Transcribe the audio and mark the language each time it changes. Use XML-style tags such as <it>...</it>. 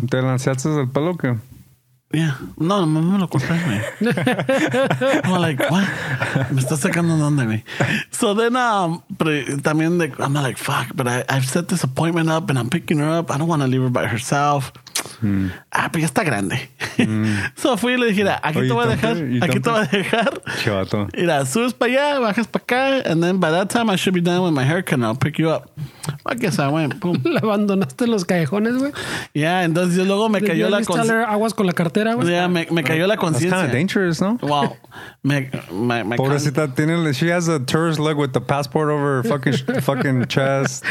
<es>¿Te lanzaste el pelo o qué? Yeah. No, no me lo corté, güey.</es> <en>I'm like, what?</en> <es>Me está sacando donde, güey.</es> <en>So then, también, de, I'm like, fuck, but I've set this appointment up and I'm picking her up. I don't want to leave her by herself.</en> <es>Ah, pero ya está grande. So fui y le dije, aquí te voy a dejar. Aquí te voy a dejar. Chivato. Mira, subes para allá, bajas para acá.</es> <en>And then by that time, I should be done with my haircut and I'll pick you up. I guess I went, boom.</en> <es>¿La abandonaste los callejones, güey? Yeah, entonces yo luego me cayó la conciencia. Aguas con la cartera, güey. Yeah, me cayó la conciencia.</es> <en>That's kind of dangerous, ¿no? Wow. Pobrecita, she has a tourist look with the passport over her fucking chest.</en>